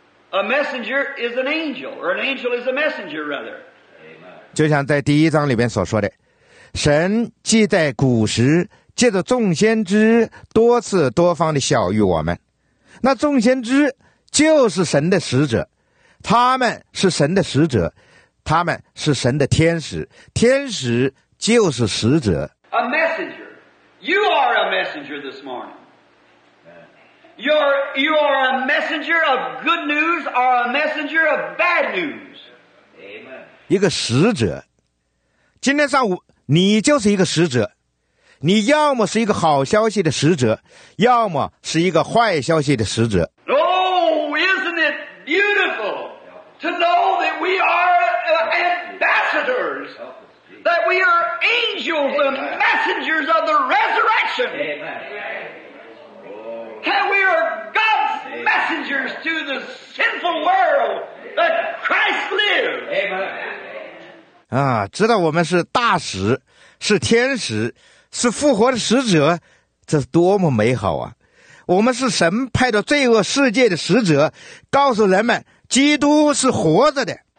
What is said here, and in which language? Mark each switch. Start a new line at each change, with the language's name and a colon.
English: A messenger is an angel, or an angel is a messenger, rather. Amen.
Chinese: 就像在第一章里面所说的，神既在古时借着众先知多次多方的晓谕我们，那众先知就是神的使者，他们是神的使者。他们是神的天使，天使就是使者。
English: A messenger. You are a messenger this morning. You are a messenger of good news or a messenger of bad news. Amen.
Chinese: 一个使者。今天上午你就是一个使者。你要么是一个好消息的使者，要么是一个坏消息的使者。
English: Oh, isn't it beautiful to know that we areambassadors, that we are angels, the messengers of the resurrection. Amen. That we are God's messengers to the sinful world, that Christ lives. Amen.
Chinese: 啊，知道我们是大使，是天使，是复活的使者，这是多么美好啊！我们是神派到罪恶世界的使者，告诉人们，基督是活着的。